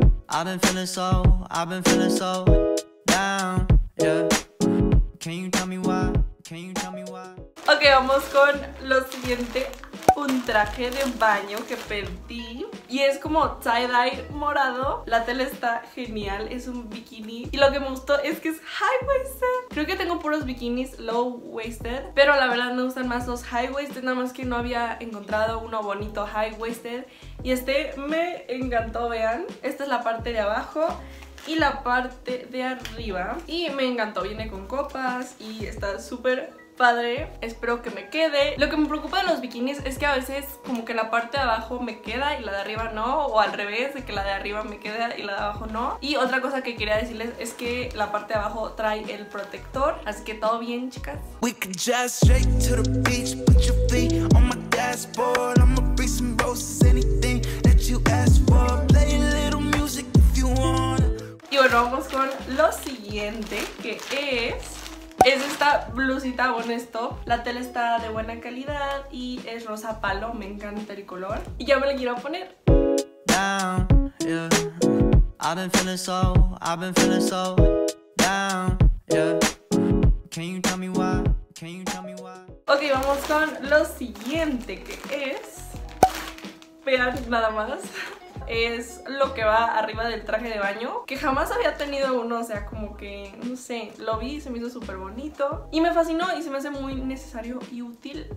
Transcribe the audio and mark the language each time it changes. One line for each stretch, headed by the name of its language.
English: I've been feeling so, I've been feeling so. Down, yeah. Can you tell me why? Can you tell me why?
Spanish: Ok, vamos con lo siguiente. Un traje de baño que pedí y es como tie-dye morado. La tela está genial, es un bikini y lo que me gustó es que es high-waisted. Creo que tengo puros bikinis low-waisted, pero la verdad me gustan más los high-waisted, nada más que no había encontrado uno bonito high-waisted y este me encantó, vean. Esta es la parte de abajo y la parte de arriba y me encantó, viene con copas y está súper padre, espero que me quede. Lo que me preocupa de los bikinis es que a veces como que la parte de abajo me queda y la de arriba no, o al revés, de que la de arriba me queda y la de abajo no. Y otra cosa que quería decirles es que la parte de abajo trae el protector, así que todo bien, chicas.
English: We could just shake to the beach, put your feet on my dashboard, I'ma bring some roses, anything that you ask for, play a little music if you wanna.
Spanish: Y bueno, vamos con lo siguiente, que es... Es esta blusita honesto. La tela está de buena calidad y es rosa palo. Me encanta el color. Y ya me la quiero poner.
English: Down, yeah. I've been feeling so, I've been feeling so. Down, yeah. Can you tell me why? Can you tell me why?
Spanish: Ok, vamos con lo siguiente, que es... Vean nada más. Es lo que va arriba del traje de baño, que jamás había tenido uno, o sea, como que, no sé, lo vi y se me hizo súper bonito y me fascinó y se me hace muy necesario y útil.